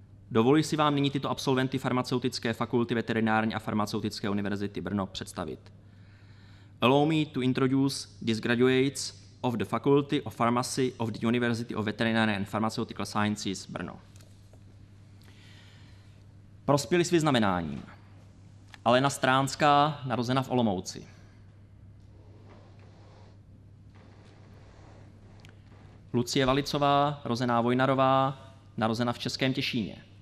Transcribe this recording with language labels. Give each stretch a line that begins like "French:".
Czech: Dovoluji si vám nyní tyto absolventy Farmaceutické fakulty Veterinární a farmaceutické univerzity Brno představit.
English: Allow me to introduce these graduates of the Faculty of Pharmacy of the University of Veterinary and Pharmaceutical Sciences Brno.
Czech: Prospěli s vyznamenáním. Alena Stránská, narozena v Olomouci. Lucie Valicová, rozená Vojnarová, narozena v Českém Těšíně.